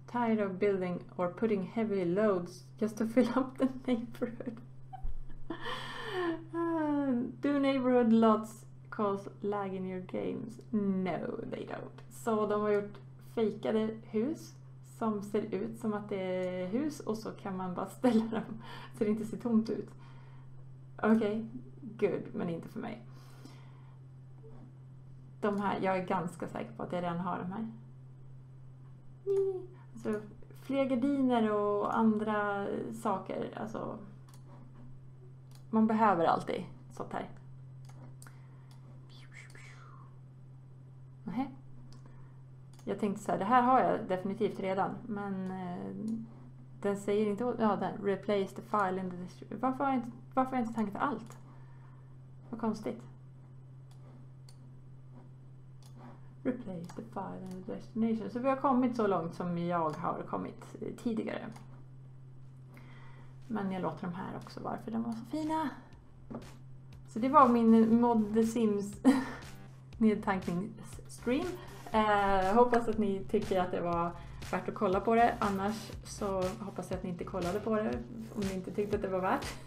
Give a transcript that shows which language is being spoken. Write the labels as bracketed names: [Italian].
[English] Tired of building or putting heavy loads just to fill up the neighborhood. Do neighborhood lots cause lag in your games? No, they don't. [Swedish] Så de har gjort fejkade hus som ser ut som att det är hus och så kan man bara ställa dem så det inte ser tomt ut. Okej, [English] okay, good, [Swedish] men inte för mig. De här, jag är ganska säker på att jag redan har de här. Alltså, fler gardiner och andra saker, alltså... Man behöver alltid sånt här. Nej. Jag tänkte så här, det här har jag definitivt redan, men den säger inte, ja den, [English] replace the file in the distribution. [Swedish] Varför har jag inte tankat allt? Vad konstigt. [English] Replace the file in the destination. [Swedish] Så vi har kommit så långt som jag har kommit tidigare. Men jag låter de här också vara, för de var så fina. Så det var min Mod The Sims nedtankningsstream. Hoppas att ni tycker att det var värt att kolla på det. Annars så hoppas jag att ni inte kollade på det om ni inte tyckte att det var värt.